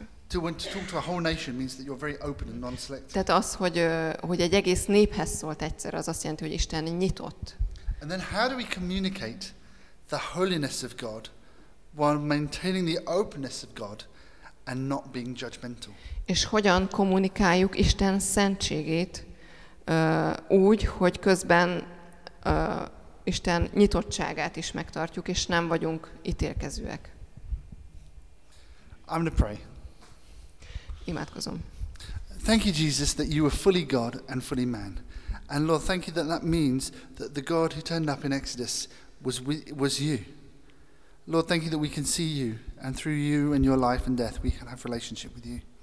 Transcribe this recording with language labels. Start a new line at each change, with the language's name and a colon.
English: To a whole nation means that you're very open and non-selective.
Hungarian: Tehát az, hogy egy egész néphez szólt egyszer, az azt jelenti, hogy Isten nyitott.
English: And then how do we communicate the holiness of God while maintaining the openness of God and not being judgmental?
Hungarian: És hogyan kommunikáljuk Isten szentségét úgy, hogy közben Isten nyitottságát is megtartjuk, és nem vagyunk ítélkezőek.
English: I'm going to pray.
Hungarian: Imádkozom.
English: Thank you, Jesus, that you were fully God and fully man. And Lord, thank you that that means that the God who turned up in Exodus was you. Lord, thank you that we can see you, and through you and your life and death, we can have relationship with you.